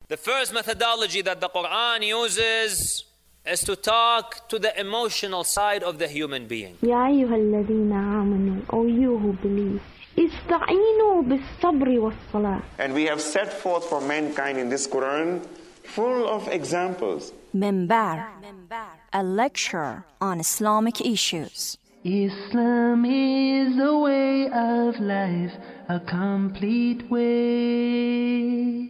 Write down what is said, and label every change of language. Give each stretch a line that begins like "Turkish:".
English: The first methodology that the Quran uses is to talk to the emotional side of the human being.
Arabic: يا أيها الذين آمنوا,
English: or you who believe,
Arabic: استعينوا بالصبر والصلاة.
English: And we have set forth for mankind in this Quran full of examples. Minbar, a lecture on Islamic issues. Islam is a way of life, a complete way.